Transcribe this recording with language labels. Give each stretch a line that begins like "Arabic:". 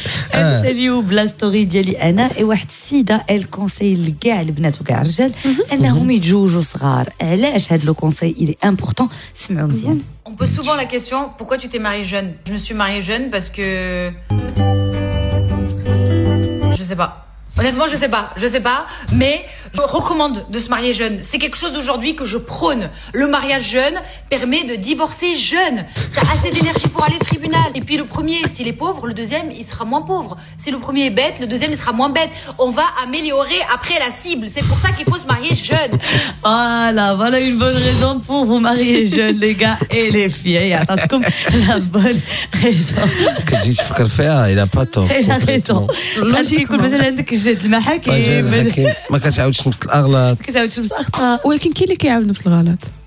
Arabic: هذا اليوم بلا ستوري ديالي أنا واحد السيدة
French: إل كونساي
Arabic: لكاع البنات وكاع الرجال أنهم يتزوجوا صغار. علاش
French: هاد لو كونساي إلي أمبوغتون؟
Arabic: سمعوا مزيان.
French: On pose souvent la question, pourquoi tu t'es mariée jeune? Je me suis mariée jeune parce que... Je sais pas. Honnêtement, je sais pas. Mais je recommande de se marier jeune. C'est quelque chose aujourd'hui que je prône. Le mariage jeune permet de divorcer jeune. T'as assez d'énergie pour aller au tribunal. Et puis le premier, s'il est pauvre, le deuxième, il sera moins pauvre. Si le premier est bête, le deuxième, il sera moins bête. On va améliorer après la cible. C'est pour ça qu'il faut se marier jeune. Voilà, voilà une bonne raison pour vous marier jeune, les gars et les filles. Attends, comme la bonne raison. Qu'est-ce qu'il faut qu'elle fasse? Il n'a pas tort. Il a raison. Logiquement. جد
Arabic: المحاكم ما كتعاودش نفس الاغلاط كتعاودش نفس الاخطاء ولكن كاين اللي كيعاود نفس الغلط.